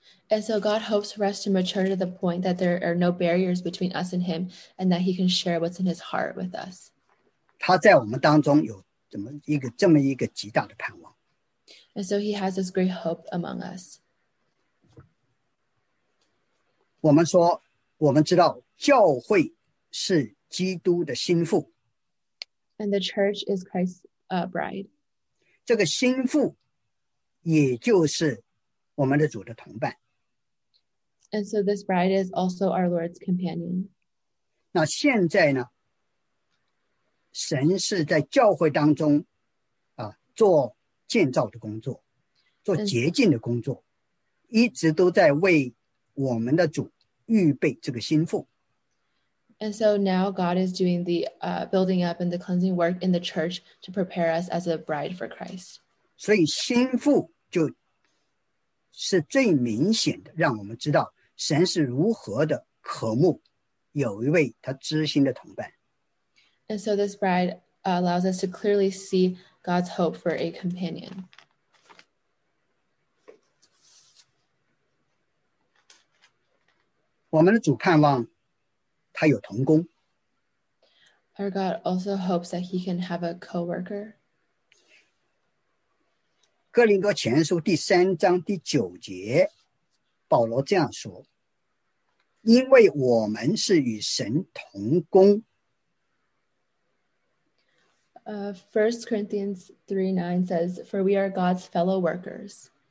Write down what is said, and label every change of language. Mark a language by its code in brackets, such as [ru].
[en] And so God hopes for us to mature to the point that there are no barriers between us and Him, and that He can share what's in His heart with us. [zh] 他在我们当中有这么一个极大的盼望。 [en] And so He has this great hope among us. [zh] 我们说，我们知道教会是基督的心腹。 [en] And the church is Christ's bride. [zh] 这个心腹也就是我们的主的同伴。 [en] And so this bride is also our Lord's companion. [zh] 那现在呢，神是在教会当中做建造的工作，做洁净的工作，一直都在为我们的主预备这个心腹。 [en] And so now God is doing the building up and the cleansing work in the church to prepare us as a bride for Christ. [zh] 所以心腹就是最明显的，让我们知道神是如何的渴慕有一位他知心的同伴。 [en] And so this bride allows us to clearly see God's hope for a companion. [zh] 我们的主盼望他有同工。 [en] Our God also hopes that he can have a co-worker. [zh] 哥林多前书第三章第九节，保罗这样说，因为我们是与神同工。 [en] First Corinthians 3:9 says, For we are God's fellow workers.